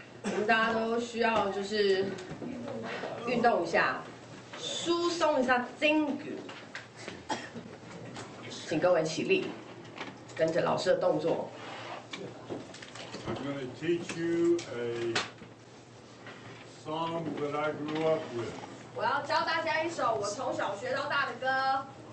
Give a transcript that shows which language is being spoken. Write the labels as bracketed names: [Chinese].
[Chinese] 我们大家都需要就是运动一下，疏松一下筋骨。请各位起立，跟着老师的动作。 [English] I'm going to teach you a song that I grew up with. [Chinese] 我要教大家一首我从小学到大的歌。